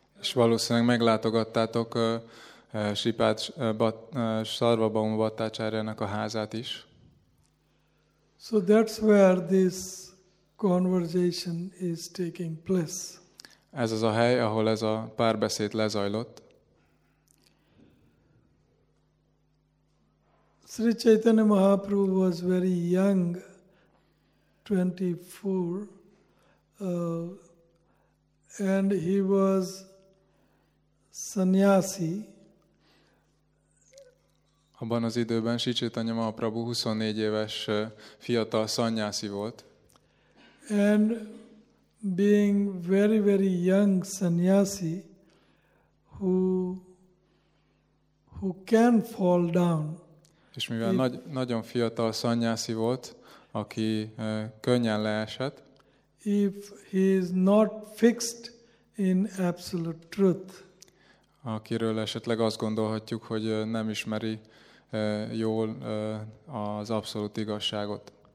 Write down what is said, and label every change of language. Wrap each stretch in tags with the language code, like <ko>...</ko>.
<hu>És valószínűleg meglátogattátok Sripad Sarvabhauma Bhattacharya-nak a házát is.</hu> <en>So that's where this conversation is taking place.</en> <hu>Ez az a hely, ahol ez a párbeszéd lezajlott.</hu> <en>Sri Chaitanya Mahaprabhu was very young, 24, and he was sannyasi.</en> <hu>Abban az időben Sri Chaitanya Mahaprabhu 24 éves fiatal sannyasi volt.</hu> <en>And being very, very young sannyasi, who can fall down.</en> <hu>És mivel nagyon fiatal szannyászi volt, aki könnyen leesett.</hu> <en>If he is not fixed in absolute truth.</en> <hu>Akiről esetleg azt gondolhatjuk, hogy nem ismeri jól az abszolút igazságot.</hu>